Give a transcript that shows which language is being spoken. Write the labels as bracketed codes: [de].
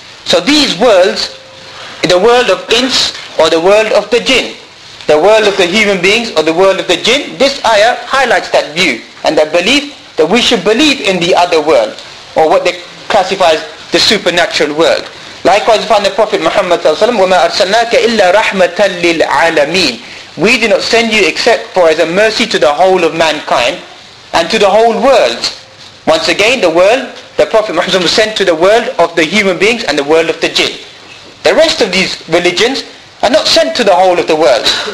[en] So these worlds, the world of ins or the world of the jinn, the world of the human beings or the world of the jinn, this ayah highlights that view and that belief that we should believe in the other world, or what they classify as the supernatural world. Likewise, upon the Prophet Muhammad ﷺ, [ar] وَمَا أَرْسَلْنَاكَ إِلَّا رَحْمَةً لِلْعَالَمِينَ. [en] We did not send you except for as a mercy to the whole of mankind and to the whole world. Once again, the world, the Prophet Muhammad was sent to the world of the human beings and the world of the jinn. The rest of these religions are not sent to the whole of the world.